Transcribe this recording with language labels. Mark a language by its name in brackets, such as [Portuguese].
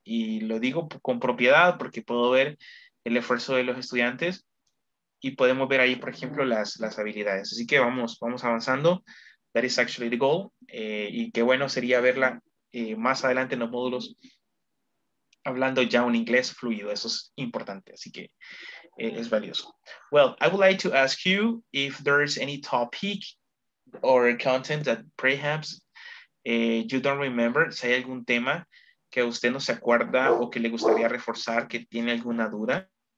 [Spanish] Y lo digo con propiedad porque puedo ver el esfuerzo de los estudiantes y podemos ver ahí, por ejemplo, las habilidades. Así que vamos avanzando. [English] That is actually the goal. [Spanish] Y qué bueno sería verla más adelante en los módulos hablando ya un inglés fluido. Eso es importante. Así que es valioso. [English] Well, I would like to ask you if there's any topic or content that perhaps you don't remember. [Spanish] Si hay algún tema que usted no se acuerda o que le gustaría reforzar, que tiene alguna duda.